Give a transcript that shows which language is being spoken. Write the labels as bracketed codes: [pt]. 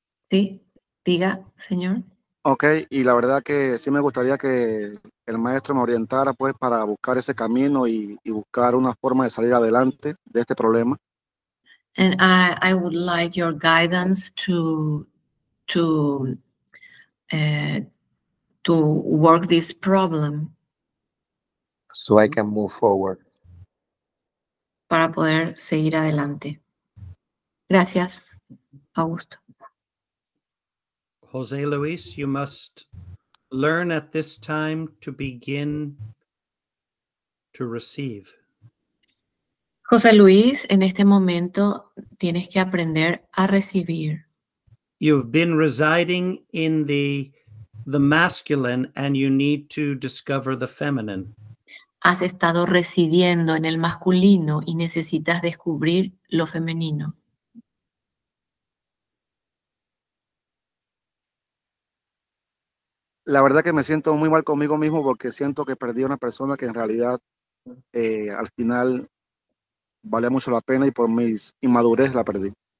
[es] Sí, diga, señor. Ok, y la verdad que sí me gustaría que el maestro me orientara, pues, para buscar ese camino y buscar una forma de salir adelante de este problema. [en] And I would like your guidance to work this problem. So I can move forward. [es] Para poder seguir adelante. Gracias, Augusto. [en] José Luis, you must learn at this time to begin to receive. [es] José Luis, en este momento tienes que aprender a recibir. [en] You've been residing in the the masculine and you need to discover the feminine. [es] Has estado residiendo en el masculino y necesitas descubrir lo femenino. La verdad que me siento muy mal conmigo mismo porque siento que perdí a una persona que en realidad al final valía mucho la pena y por mis inmadurez la perdí.